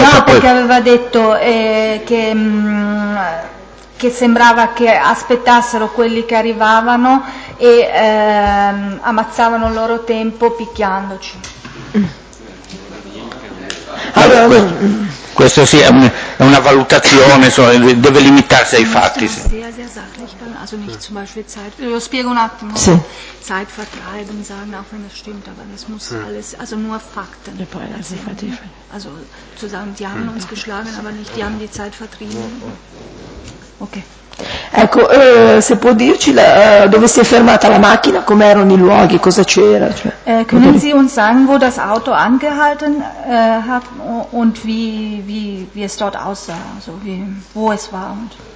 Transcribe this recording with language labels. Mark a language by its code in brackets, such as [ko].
[it] No, perché aveva detto che sembrava che aspettassero quelli che arrivavano e ammazzavano il loro tempo picchiandoci. Allora, questo sì, è una valutazione, insomma, deve limitarsi ai fatti. Sì. [de] Also nicht zum Beispiel Zeit, [it] lo spiego un attimo, sì. [de] Zeit vertreiben, sagen, auch wenn das stimmt, aber das muss alles, also nur Fakten. Also zu sagen, die haben uns geschlagen, aber nicht, die haben die Zeit vertrieben. Okay. [it] Ecco, se può dirci dove si è fermata la macchina, come erano i luoghi, cosa c'era? [de] Können Sie uns sagen, wo das Auto angehalten hat und wie es dort aussah, also wie, wo es war und...